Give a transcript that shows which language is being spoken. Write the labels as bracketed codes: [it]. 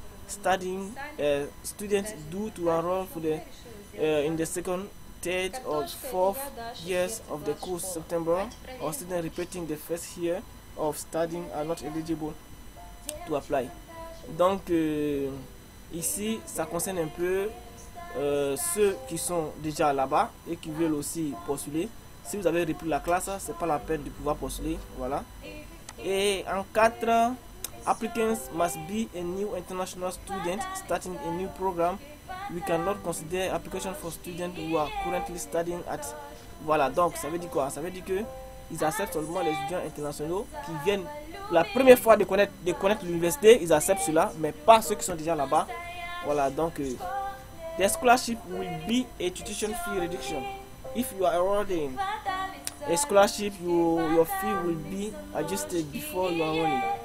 [en] Studying students due to enroll for the in the second, third, or fourth years of the course September, or students repeating the first year of studying are not eligible to apply. [fr] Donc ici, ça concerne un peu ceux qui sont déjà là-bas et qui veulent aussi postuler. Si vous avez repris la classe, c'est pas la peine de pouvoir postuler, voilà. Et en 4, [en] applicants must be a new international student starting a new program. We cannot consider application for students who are currently studying at. [fr] Voilà, donc ça veut dire quoi? Ça veut dire que ils acceptent seulement les étudiants internationaux qui viennent la première fois de connaître l'université. Ils acceptent cela, mais pas ceux qui sont déjà là-bas. Voilà, donc [en] the scholarship will be a tuition fee reduction. If you are awarding a scholarship, your fee will be adjusted before you are awarding.